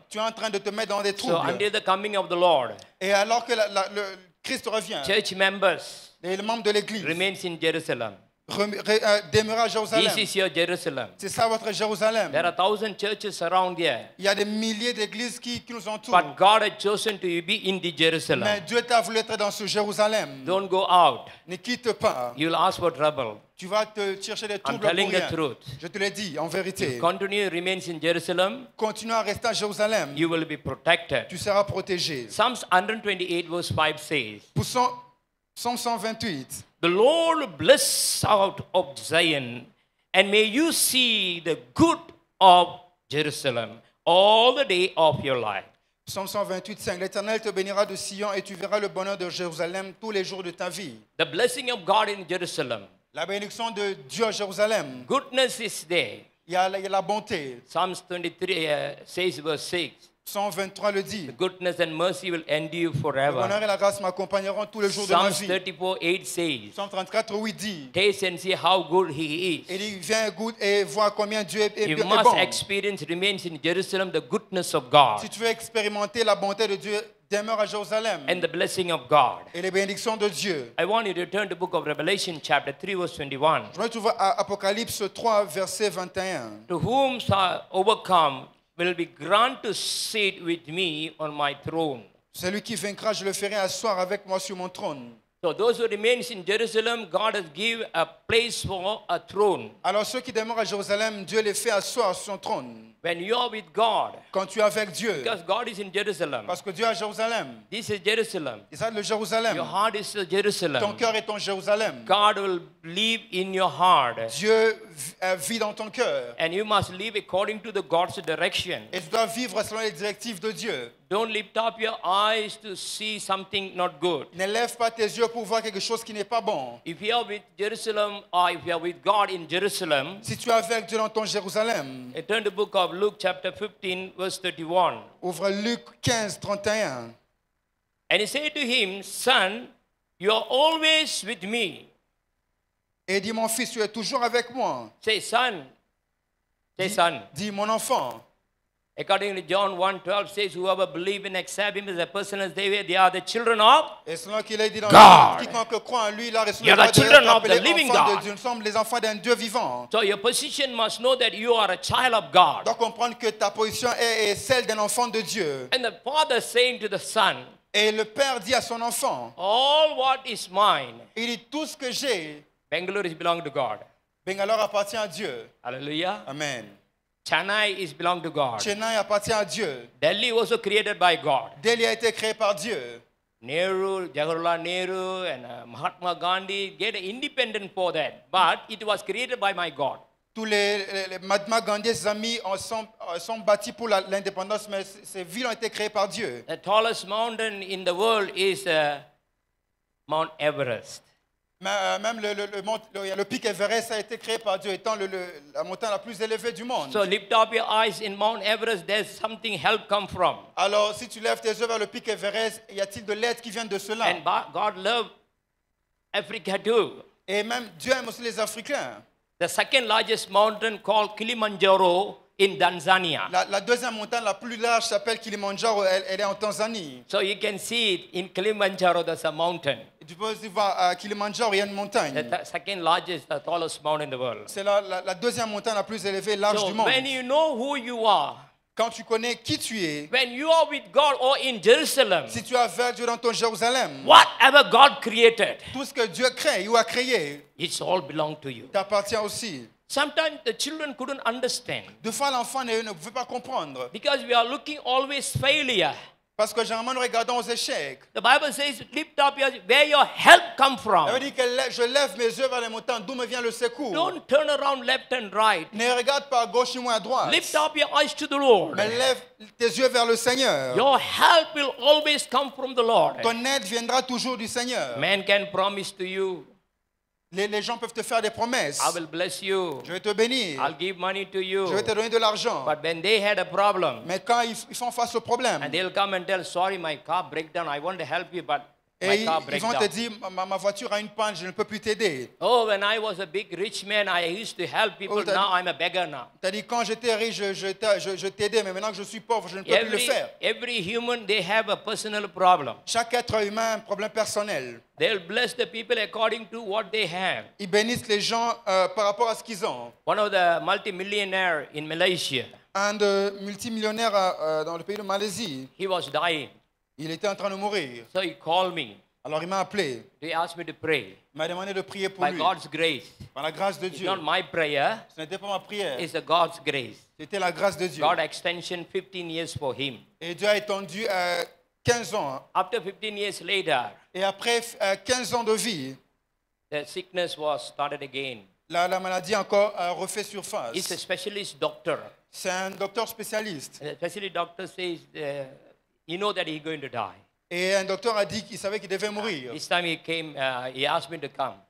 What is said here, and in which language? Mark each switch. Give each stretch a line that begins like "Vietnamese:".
French: Tu es en train de te mettre dans des troubles.
English: So until the coming of the Lord,
French: et alors que le Christ revient,
English: church members,
French: les membres de l'église,
English: remains in Jerusalem.
French: Demeure à Jérusalem.
English: This is your Jerusalem.
French: C'est ça votre Jérusalem.
English: There are 1,000 churches around here.
French: Il y a des milliers d'églises qui nous entourent.
English: But God has chosen to be in the Jerusalem.
French: Mais Dieu t'a voulu être dans ce Jérusalem.
English: Don't go out.
French: Ne quitte pas.
English: You'll ask for trouble.
French: Tu vas te chercher des troubles.
English: I'm telling the truth.
French: Je te l'ai dit en vérité.
English: If continue remains in Jerusalem.
French: Continue à rester à Jérusalem.
English: You will be protected.
French: Tu seras protégé.
English: Psalms 128 verse 5 says.
French: Psaume 128.
English: The Lord bless out of Zion, and may you see the good of Jerusalem all the day of your life.
French: Psaume 128, 5. L'Éternel te bénira de Sion et tu verras le bonheur de Jérusalem tous les jours de ta vie.
English: The blessing of God in Jerusalem.
French: La bénédiction de Dieu à Jérusalem.
English: Goodness is there.
French: Il y a la bonté.
English: Psalms 23 says verse 6.
French: Psaume 23 le dit.
English: The goodness and mercy will end you forever.
French: Le bonheur et la grâce m'accompagneront tous les jours
English: Psalms
French: de ma vie.
English: Psalm 34:8 says.
French: Psalm 34:8 dit.
English: Taste and see how good He is.
French: Et il vient goûte et voit combien Dieu est bon.
English: You must experience remains in Jerusalem the goodness of God.
French: Si tu veux expérimenter la bonté de Dieu, demeure à Jérusalem.
English: And the blessing of God.
French: Et les bénédictions de Dieu.
English: I want you to turn to the book of Revelation chapter 3 verse 21.
French: Je veux trouver Apocalypse 3 verset 21.
English: To whom shall overcome will be granted to sit with me on my throne.
French: Celui qui vaincra, je le ferai asseoir avec moi sur mon trône.
English: So those who remain in Jerusalem, God has given a place for a throne.
French: Alors ceux qui demeurent à Jérusalem, Dieu les fait asseoir sur son trône.
English: When you are with God,
French: quand tu es avec Dieu,
English: because God is in Jerusalem,
French: parce que Dieu est à Jérusalem,
English: this is Jerusalem,
French: et ça, le Jérusalem,
English: your heart is Jerusalem,
French: ton cœur est ton Jérusalem,
English: God will live in your heart,
French: Dieu vit dans ton cœur,
English: and you must live according to the God's direction,
French: et tu dois vivre selon les directives de Dieu.
English: Don't lift up your eyes to see something not good.
French: Ne lève pas tes yeux pour voir quelque chose qui n'est pas bon.
English: If you are with Jerusalem, or if you are with God in Jerusalem,
French: si tu es avec Dieu dans ton Jérusalem,
English: turn the book of Luke chapter 15, verse 31.
French: Ouvre Luc 15:31.
English: And he said to him, "Son, you are always with me."
French: Et dit mon fils, tu es toujours avec moi.
English: Say son.
French: Dis mon enfant.
English: According to John 1:12 says, whoever believes and accepts him as a person as they are the children of God. You are the children of the living God. So your position must know that you are a child of God. And the father saying to the son,
French: et le père dit à son enfant,
English: all what is mine,
French: il dit tout ce que j'ai,
English: Bangalore is belong to God.
French: Bangalore appartient à Dieu.
English: Hallelujah. Amen. Chennai is belong to God.
French: Chennai appartient à Dieu.
English: Delhi was also created by God.
French: Delhi a été créé par Dieu.
English: Nehru, Jawaharlal Nehru, and Mahatma Gandhi get independent for that, but it was created by my God.
French: Tous les Mahatma Gandhi et ses amis sont bâtis pour l'indépendance, mais ces villes ont été créées par Dieu.
English: The tallest mountain in the world is Mount Everest.
French: Même le pic Everest a été créé par Dieu, étant la montagne la plus élevée du monde.
English: So lift up your eyes in Mount Everest, there's something help come from.
French: Alors si tu lèves tes yeux vers le pic Everest, y a-t-il de l'aide qui vient de cela?
English: And God loves Africa too.
French: Et même Dieu aime aussi les Africains.
English: The second largest mountain called Kilimanjaro in Tanzania.
French: La deuxième montagne la plus large s'appelle Kilimanjaro, elle est en Tanzanie.
English: So you can see it in Kilimanjaro, there's a mountain.
French: Tu peux voir à Kilimanjaro, il y a une montagne.
English: The second largest, the tallest mountain in the world.
French: C'est la deuxième montagne la plus élevée, large
English: so
French: du monde.
English: When you know who you are,
French: quand tu connais qui tu es,
English: when you are with God or in Jerusalem,
French: si tu es avec Dieu dans ton Jérusalem,
English: whatever God created,
French: tout ce que Dieu crée ou a créé,
English: it all belong to you.
French: T'appartient aussi.
English: Sometimes the children couldn't understand.
French: De fois l'enfant ne pouvait pas comprendre.
English: Because we are looking always failure.
French: Parce que généralement nous regardons aux échecs.
English: The Bible says, lift up your where your help come from.
French: Elle dit que je lève mes yeux vers les montagnes, d'où me vient le secours.
English: Don't turn around left and right.
French: Ne regarde pas à gauche ni moins à droite.
English: Lift up your eyes to the Lord.
French: Mais lève tes yeux vers le Seigneur.
English: Your help will always come from the Lord.
French: Ton aide viendra toujours du Seigneur.
English: Man can promise to you.
French: Les gens peuvent te faire des promesses.
English: I will bless you.
French: Je vais te bénir.
English: I'll give money to you.
French: Je vais te donner de l'argent.
English: But when they had a problem,
French: mais quand ils font face au problème,
English: and they'll come and tell, sorry, my car break down. I want to help you, but my car break
French: ils vont
English: down.
French: Te dire, ma voiture a une panne, je ne peux plus t'aider.
English: Oh, when I was a big rich man, I used to help people. Oh, now I'm a beggar now.
French: T'as dit quand j'étais riche, je t'aidais, mais maintenant que je suis pauvre, je ne peux plus le faire.
English: Every human, they have a personal problem.
French: Chaque être humain a un problème personnel.
English: They'll bless the people according to what they have.
French: Ils bénissent les gens par rapport à ce qu'ils ont.
English: One of the multimillionaires in Malaysia.
French: Un de multimillionnaires dans le pays de Malaisie.
English: He was dying.
French: Il était en train de mourir.
English: So he called me.
French: Alors il m'a appelé.
English: He asked me to pray.
French: Il m'a demandé de prier pour
English: By
French: lui.
English: By God's grace.
French: Par la grâce de
English: It's
French: Dieu.
English: Not my prayer.
French: Ce n'était pas ma prière.
English: It's the God's grace.
French: C'était la grâce de Dieu.
English: God extension 15 years for him.
French: Et Dieu a étendu 15 ans.
English: After 15 years later.
French: Et après 15 ans de vie.
English: The sickness was started again.
French: La maladie encore refait surface.
English: It's a specialist doctor.
French: C'est un docteur spécialiste.
English: The specialist doctor says. You know that he's going to die.
French: Et un docteur a dit qu'il savait qu'il devait mourir.
English: This time he came, he asked me to come.